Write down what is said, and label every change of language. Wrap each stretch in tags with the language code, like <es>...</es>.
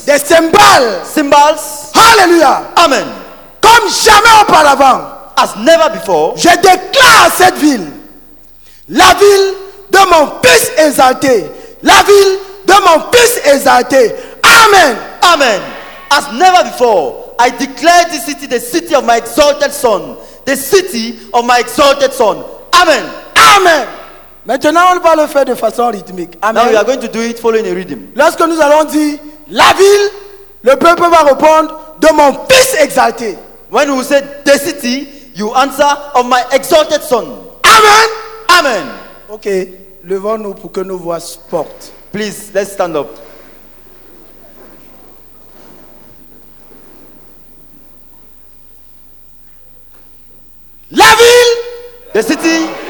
<fr>Des cymbales.</fr> <en>Cymbals. Hallelujah. Amen.</en> <fr>Comme jamais auparavant,</fr> <en>as never before,</en> <fr>je déclare à cette ville, la ville de mon fils exalté, la ville de mon fils exalté. Amen. Amen.</fr> <en>As never before, I declare this city the city of my exalted son. The city of my exalted son. Amen. Amen.</en> <fr>Maintenant, on va le faire de façon rythmique. Amen.</fr> <en>Now we are going to do it following a rhythm.</en> <fr>Lorsque nous allons dire, la ville, le peuple va répondre, de mon fils exalté.</fr> <en>When we say the city, you answer of my exalted son. Amen. Amen.</en> <fr>Ok, levons-nous pour que nos voix portent.</fr> <en>Please, let's stand up.</en> <fr>La ville,</fr> <en>the city,</en>